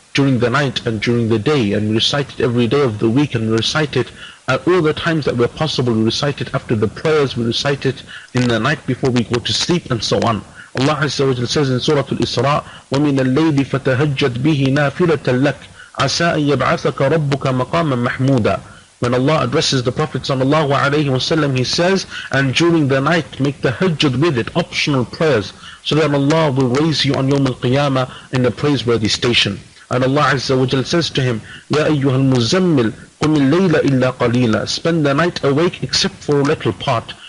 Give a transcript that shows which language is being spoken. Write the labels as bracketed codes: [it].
[en] during the night and during the day, and we recite it every day of the week, and we recite it at all the times that were possible. We recite it after the prayers, we recite it in the night before we go to sleep, and so on. Allah Azza wa Jal says in Surah Al-Isra, [ar] وَمِنَ اللَّيْلِ فَتَهَجَّدْ بِهِ نَافِلَةً لَكَ عَسَىٰ أَن يَبْعَثَكَ رَبُّكَ مَقَامًا مَحْمُودًا. [en] When Allah addresses the Prophet sallallahu alayhi wa sallam, he says, and during the night, make the hajjud with it, optional prayers, so that Allah will raise you on Yawm al-Qiyamah in a praiseworthy station. And Allah Azza wa Jal says to him, [ar] Ya ayyuhal muzammil, qum al-layla illa qaleela, [en] spend the night awake except for a little part.